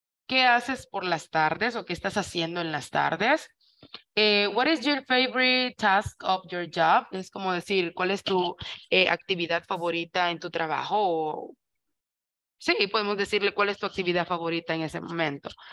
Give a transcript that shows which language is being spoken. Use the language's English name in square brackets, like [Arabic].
[Spanish] ¿Qué haces por las tardes o qué estás haciendo en las tardes? [English] What is your favorite task of your job? [Spanish] Es como decir, ¿cuál es tu actividad favorita en tu trabajo? O, sí, podemos decirle, ¿cuál es tu actividad favorita en ese momento?